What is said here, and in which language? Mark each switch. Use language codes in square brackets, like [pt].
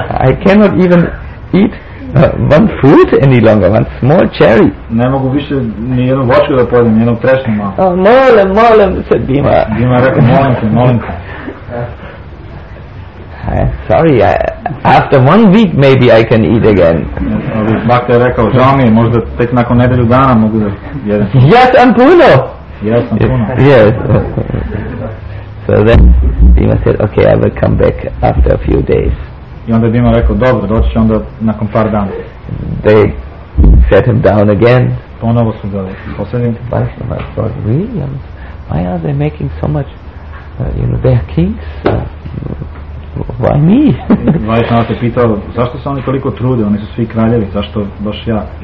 [en] I cannot even eat one fruit any longer, one small cherry. [sr] Ne mogu više ni jednu voćku da pojedem, ni jednu trešnju malo. [en] Oh, [sr] molim, molim, [en] said Bhima. [sr] Bhima rekao, molim te, molim te. [en] Sorry, after one week maybe I can eat again. [sr] Bhakta je rekao, žao mi je, možda tek nakon nedelju dana mogu da jedem. [en] Yes, I'm [sr] puno. [en] Yes, I'm [sr] puno. [en] Yes. So then Bhima said, okay, I will come back after a few days. [sr] I onda Bhima rekao, dobro, doći će onda nakon par dana. [en] They set him down again. [sr] Ponovo su ga posadili. [en] Vaishnava thought, really? Why are they making so much, you know, they are kings? Why me? [sr] Vaishnava se pitao, zašto se oni toliko trude, oni su svi kraljevi, zašto baš ja?